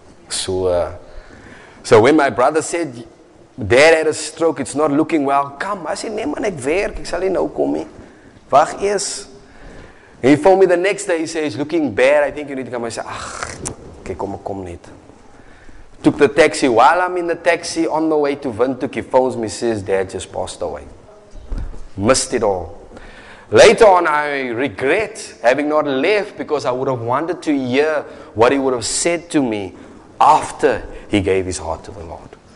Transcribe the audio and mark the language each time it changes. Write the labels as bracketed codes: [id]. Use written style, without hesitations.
[en] So when my brother said, Dad had a stroke, it's not looking well. [af] Come, I said, neem ek werk, ek sal nie nou kom nie. Wag eers. [en] He phoned me the next day, he said, it's looking bad, I think you need to come. I said, ach, okay, kom net. Took the taxi, while I'm in the taxi, on the way to Windhoek, he phones me, says, Dad just passed away. Missed it all. Later on, I regret having not left because I would have wanted to hear what he would have said to me after he gave his heart to the Lord.